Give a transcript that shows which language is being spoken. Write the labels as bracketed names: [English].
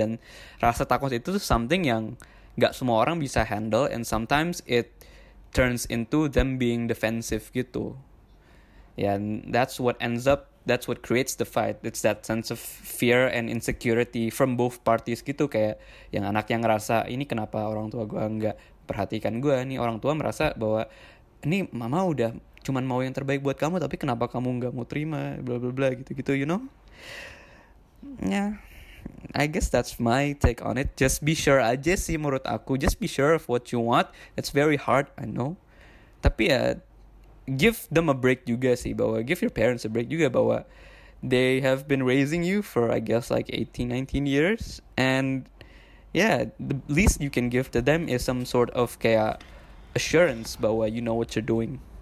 [Indonesian] Dan rasa takut itu something yang gak semua orang bisa handle, [English] and sometimes it turns into them being defensive [Indonesian] gitu. [English] Yeah, and that's what ends up, that's what creates the fight. It's that sense of fear and insecurity from both parties gitu. [Indonesian] Kayak yang anak yang ngerasa, ini kenapa orang tua gue gak perhatikan gue. Ini orang tua merasa bahwa, ini mama udah cuman mau yang terbaik buat kamu, tapi kenapa kamu gak mau terima, blah blah blah gitu-gitu, [English] you know. Yeah, I guess that's my take on it. Just be sure [Indonesian] aja sih menurut aku. [English] Just be sure of what you want. It's very hard, I know. [Indonesian] Tapi ya, [English] give them a break [Indonesian] juga sih, bahwa [English] give your parents a break juga, bahwa they have been raising you for I guess like 18-19 years, and yeah, the least you can give to them is some sort of kayak assurance bahwa you know what you're doing.